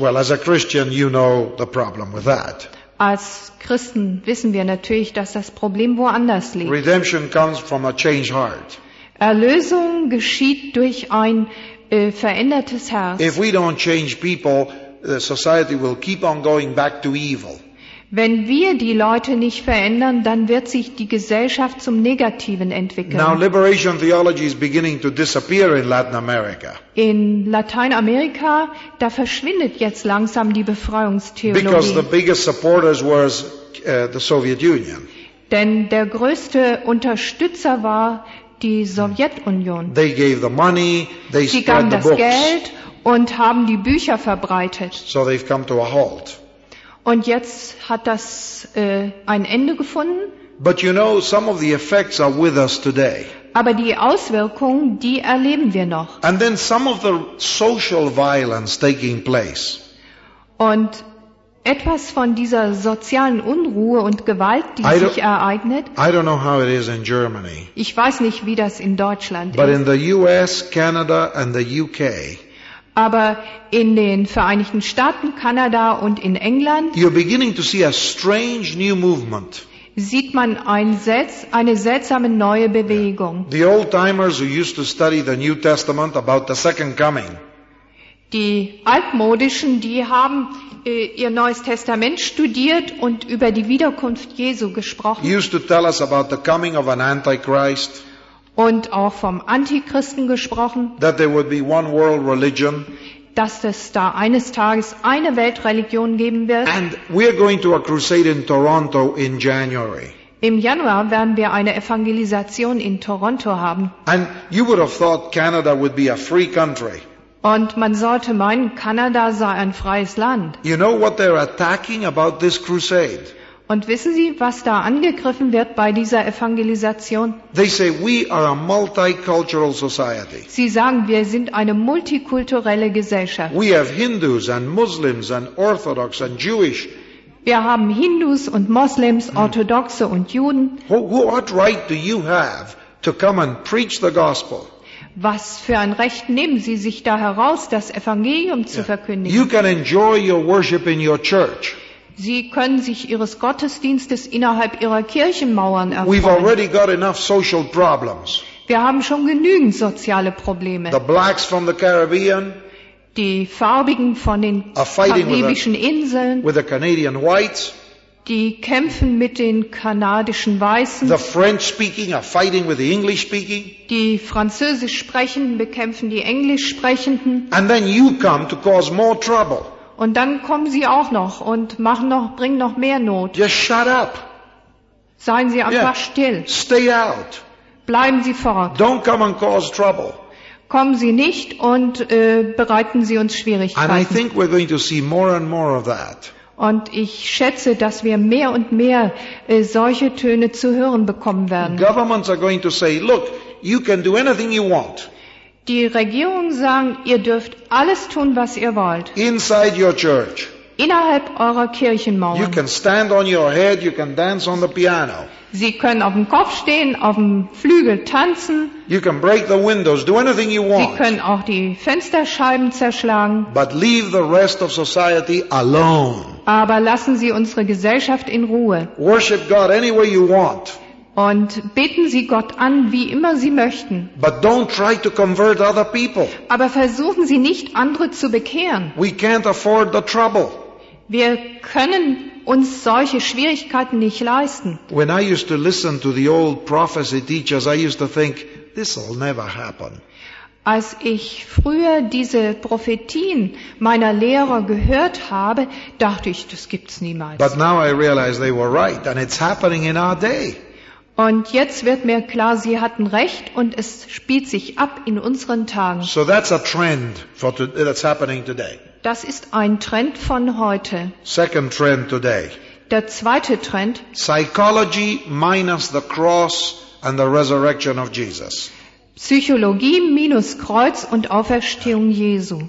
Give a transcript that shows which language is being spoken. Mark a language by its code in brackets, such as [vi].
[en] Well, as a Christian, you know the problem with that. [de] Als Christen wissen wir natürlich, dass das Problem woanders liegt. [en] Redemption comes from a changed heart. [de] Erlösung geschieht durch ein verändertes Herz. [en] If we don't change people, the society will keep on going back to evil. [de] Wenn wir die Leute nicht verändern, dann wird sich die Gesellschaft zum Negativen entwickeln. [en] Now, liberation theology is beginning to disappear in Latin America. [de] In Lateinamerika, da verschwindet jetzt langsam die Befreiungstheologie. [en] Because the biggest supporters were the Soviet Union. [de] Denn der größte Unterstützer war die Sowjetunion. [en] They gave the money, they [de] Sie [en] spread the books. [de] Geld und haben die Bücher verbreitet. [en] So they've come to a halt. [de] Und jetzt hat das ein Ende gefunden. [en] But you know, some of the effects are with us today. [de] Aber die Auswirkungen, die erleben wir noch. [en] And then some of the social violence taking place. [de] Und etwas von dieser sozialen Unruhe und Gewalt, die sich ereignet. [en] I don't know how it is in Germany. [de] Ich weiß nicht, wie das in Deutschland [en] But [de] ist. [en] But in the US, Canada and the UK. [de] Aber in den Vereinigten Staaten, Kanada und in England, [en] you're beginning to see a strange new movement. [de] Sieht man eine seltsame neue Bewegung. [en] The old-timers who used to study the New Testament about the second coming. [de] Die Altmodischen, die haben ihr Neues Testament studiert und über die Wiederkunft Jesu gesprochen. [en] Used to tell us about the coming of an Antichrist. [de] Und auch vom Antichristen gesprochen, [en] that there would be one world religion, [de] dass es da eines Tages eine Weltreligion geben wird. [en] And we are going to a crusade in Toronto in January. [de] Im Januar werden wir eine Evangelisation in Toronto haben. [en] And you would have thought Canada would be a free country. [de] Und man sollte meinen, Kanada sei ein freies Land. [en] You know what they're attacking about this crusade? [de] Und wissen Sie, was da angegriffen wird bei dieser Evangelisation? [en] They say, we are a multicultural society. [de] Sie sagen, wir sind eine multikulturelle Gesellschaft. [en] We have Hindus and Muslims and Orthodox and Jewish. [de] Wir haben Hindus und Moslems, Orthodoxe und Juden. [en] What right do you have to come and preach the gospel? [de] Was für ein Recht nehmen Sie sich da heraus, das Evangelium zu verkündigen? [en] You can enjoy your worship in your church. [de] Sie können sich Ihres Gottesdienstes innerhalb Ihrer Kirchenmauern erfreuen. [en] We've already got enough social problems. [de] Wir haben schon genügend soziale Probleme. [en] The blacks from the Caribbean. [de] Die Farbigen von den karibischen Inseln. [en] With the Canadian whites. [de] Die kämpfen mit den kanadischen Weißen. [en] The French speaking are fighting with the English speaking. [de] Die Französisch sprechenden bekämpfen die Englisch sprechenden. [en] And then you come to cause more trouble. [de] Und dann kommen sie auch noch und bringen noch mehr Not. [en] Just shut up. [de] Seien Sie einfach still. [en] Stay out. [de] Bleiben Sie fort. [en] Don't come and cause trouble. [de] Kommen Sie nicht und bereiten Sie uns Schwierigkeiten. [en] And I think we're going to see more and more of that. [de] Und ich schätze, dass wir mehr und mehr solche Töne zu hören bekommen werden. [en] Governments are going to say, look, you can do anything you want. [de] Die Regierungen sagen, ihr dürft alles tun, was ihr wollt. [en] Inside your church. [de] Innerhalb eurer Kirchenmauern. [en] You can stand on your head, you can dance on the piano. [de] Sie können auf dem Kopf stehen, auf dem Flügel tanzen. [en] You can break the windows, do anything you want. [de] Sie können auch die Fensterscheiben zerschlagen. [en] But leave the rest of society alone. [de] Aber lassen Sie unsere Gesellschaft in Ruhe. [en] Worship God any way you want. [de] Und beten Sie Gott an, wie immer Sie möchten. [en] But don't try to convert other people. [de] Aber versuchen Sie nicht, andere zu bekehren. [en] We can't afford the trouble. [de] Wir können uns solche Schwierigkeiten nicht leisten. [en] When I used to listen to the old prophecy teachers, I used to think, this will never happen. [de] Als ich früher diese Prophetien meiner Lehrer gehört habe, dachte ich, das gibt's niemals. [en] But now I realize they were right, and it's happening in our day. [de] Und jetzt wird mir klar, sie hatten recht und es spielt sich ab in unseren Tagen. [en] So that's a trend that's happening today. [de] Das ist ein Trend von heute. [en] Second trend today. [de] Der zweite Trend. [en] Psychology minus the cross and the resurrection of Jesus. [de] Psychologie minus Kreuz und Auferstehung Jesu.